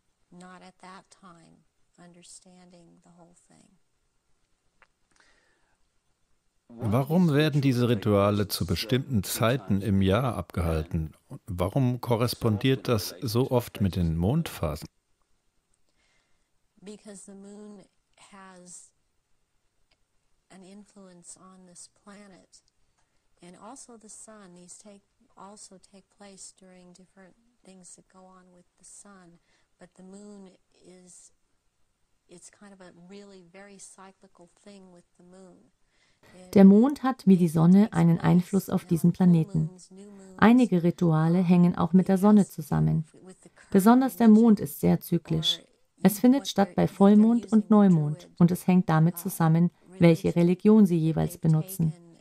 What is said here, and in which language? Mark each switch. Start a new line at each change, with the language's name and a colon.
English: Not at that time, understanding the whole thing.
German: Warum werden diese Rituale zu bestimmten Zeiten im Jahr abgehalten? Warum korrespondiert das so oft mit den Mondphasen?
English: Because the moon has an influence on this planet. And also the sun, these take place during different things that go on with the sun. But the moon is, it's kind of a really very cyclical thing with the moon.
German: Der Mond hat, wie die Sonne, einen Einfluss auf diesen Planeten. Einige Rituale hängen auch mit der Sonne zusammen. Besonders der Mond ist sehr zyklisch. Es findet statt bei Vollmond und Neumond, und es hängt damit zusammen, welche Religion sie jeweils benutzen.